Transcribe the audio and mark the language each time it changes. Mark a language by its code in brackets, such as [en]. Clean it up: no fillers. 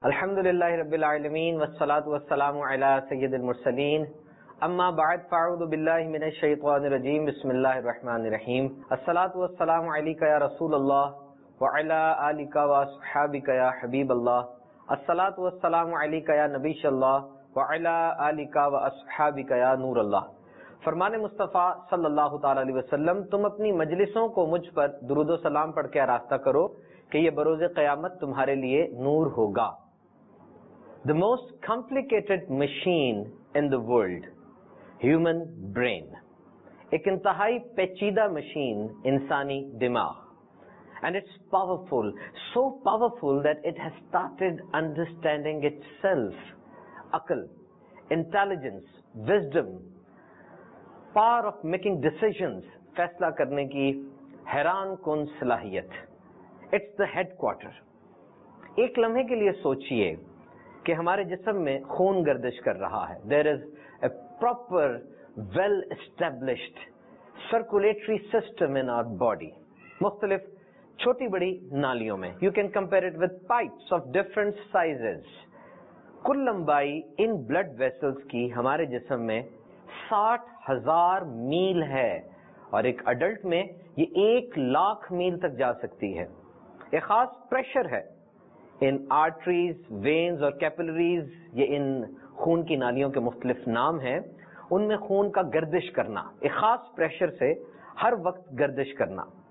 [ar] الحمد لله رب العالمين والصلاة والسلام على سيد المرسلين أما بعد فأعوذ بالله من الشيطان الرجيم بسم الله الرحمن الرحيم الصلاة والسلام عليك يا رسول الله وعلى آلك وأصحابك يا حبيب الله الصلاة والسلام عليك يا نبي الله وعلى آلك وأصحابك يا نور الله [ur] فرمان مصطفیٰ صلی اللہ تعالی علیہ وسلم تم اپنی مجلسوں کو مجھ پر درود و سلام پڑھ کے آراستہ کرو کہ یہ بروز قیامت تمہارے لیے نور ہوگا. [en] The most complicated machine in the world, human brain. [ur] ایک انتہائی پیچیدہ مشین انسانی دماغ. [en] And it's powerful, so powerful that it has started understanding itself. [ur] عقل, [en] intelligence, wisdom, power of making decisions, [ur] فیصلہ کرنے کی حیران کن صلاحیت. [en] It's the headquarter. [ur] ایک لمحے کے لیے سوچئے کہ ہمارے جسم میں خون گردش کر رہا ہے. [en] There is a proper, well-established circulatory system in our body. [ur] مختلف چھوٹی بڑی نالیوں میں. [en] You can compare it with pipes of different sizes. [ur] کل لمبائی ان blood vessels کی ہمارے جسم میں 60,000 میل ہے اور ایک اڈلٹ میں یہ 1,00,000 میل تک جا سکتی ہے. ایک خاص پریشر ہے ان آرٹریز, وینز اور کیپلریز, یہ ان خون کی نالیوں کے مختلف نام ہیں, ان میں خون کا گردش کرنا, ایک خاص پریشر سے ہر وقت گردش کرنا.